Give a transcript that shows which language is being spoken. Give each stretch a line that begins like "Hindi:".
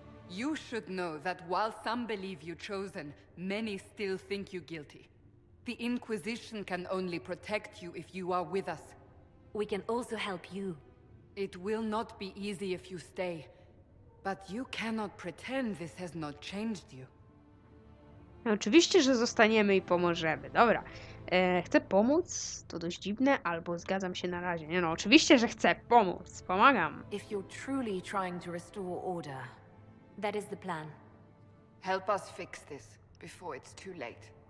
English: You should know that while some believe you chosen, many still think you guilty. The Inquisition can only protect you if you are with us. We can also help you. It will not be easy if you stay. But you cannot pretend this has not changed you.
Polish: Oczywiście, że zostaniemy i pomożemy. Dobra. Chcę pomóc? To dość dziwne, albo zgadzam się na razie. Nie, no, oczywiście, że chcę pomóc. Pomagam.
English: If you're truly trying to restore order, that is the plan. Help us fix this before it's too late.